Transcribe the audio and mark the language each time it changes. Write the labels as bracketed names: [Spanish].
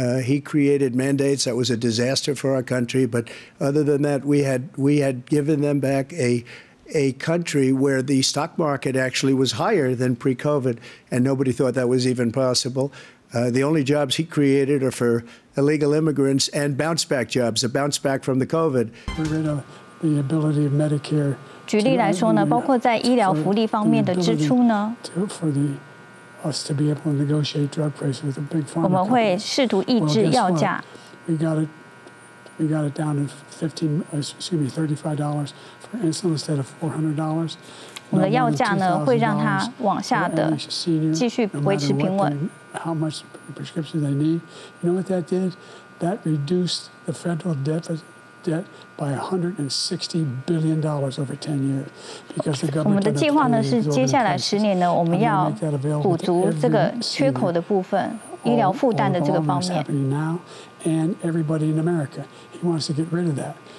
[English] He created mandates that was a disaster for our country. But other than that, we had given them back a country where the stock market actually was higher than pre-COVID, and nobody thought that was even possible. The only jobs he created are for illegal immigrants and bounce back jobs, a bounce back from the COVID. Get rid of the ability of Medicare. [Chinese] 举例来说呢，包括在医疗福利方面的支出呢。我们会试图抑制药价。 [English] We got it down to $35 for insulin instead of $400. [Chinese] 我们的药价呢，会让它往下的继续维持平稳。 [English] How much prescription they need? You know what that did? That reduced the federal debt by $160 billion over 10 years, because the government. [Chinese] 我们的计划呢是接下来10年呢，我们要补足这个缺口的部分，医疗负担的这个方面。 [English] And everybody in America, he wants to get rid of that.